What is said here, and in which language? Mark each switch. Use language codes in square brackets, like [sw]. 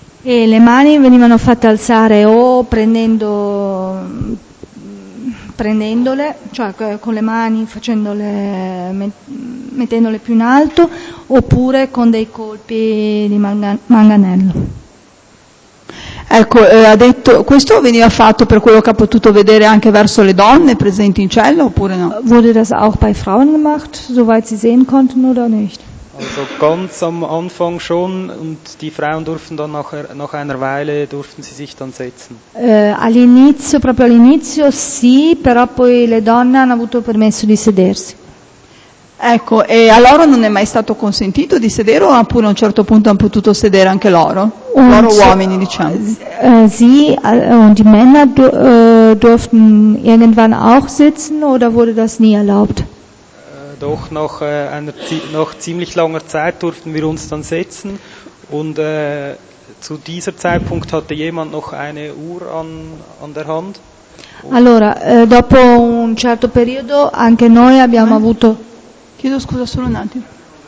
[it] E le mani venivano fatte alzare o prendendole, cioè con le mani facendole, mettendole più in alto, oppure con dei colpi di manganello. Ecco, ha detto, questo veniva fatto per quello che ha potuto vedere anche verso le donne presenti in cella, oppure no? [de] Wurde das auch bei Frauen gemacht, soweit sie sehen konnten oder nicht? Also ganz am Anfang schon und die Frauen durften dann nach einer Weile durften sie sich dann setzen. [it] All'inizio, proprio all'inizio, sì, però poi le donne hanno avuto permesso di sedersi. Ecco, e a loro non è mai stato consentito di sedere o appunto a un certo punto hanno potuto sedere anche loro? Loro uomini, diciamo. Sì, [de] und die Männer durften irgendwann auch sitzen oder wurde das nie erlaubt? Doch nach einer nach ziemlich langer Zeit durften wir uns dann setzen und zu dieser Zeitpunkt hatte jemand noch eine Uhr an der Hand. [it] Allora, dopo un certo periodo anche noi abbiamo avuto. Chiedo scusa solo un attimo.